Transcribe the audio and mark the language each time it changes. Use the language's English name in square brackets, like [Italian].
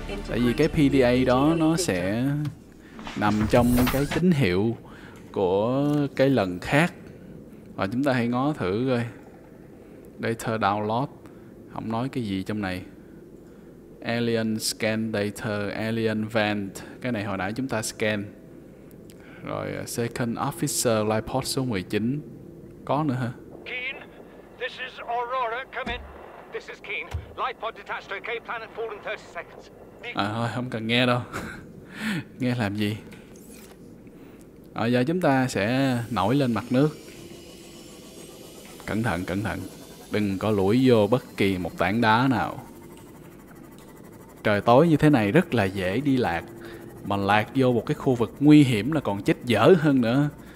[Vietnamese] Tại vì cái PDA đó nó sẽ nằm trong cái tín hiệu của cái lần khác. Và chúng ta hãy ngó thử coi. Data download. Không nói cái gì trong này. Alien scan data, alien vent. Cái này hồi nãy chúng ta scan. Rồi second officer light pod số 19. Có nữa hả? [English] Keen, this is Aurora, come in. This is Keen, light pod detached, okay, planet fall in 30 seconds. [Vietnamese] À thôi, không cần nghe đâu. Nghe làm gì? À, giờ chúng ta sẽ nổi lên mặt nước. Cẩn thận, đừng có lủi vô bất kỳ một tảng đá nào. Trời tối như thế này rất là dễ đi lạc. Mà lạc vô một cái khu vực nguy hiểm là còn chết dở hơn nữa.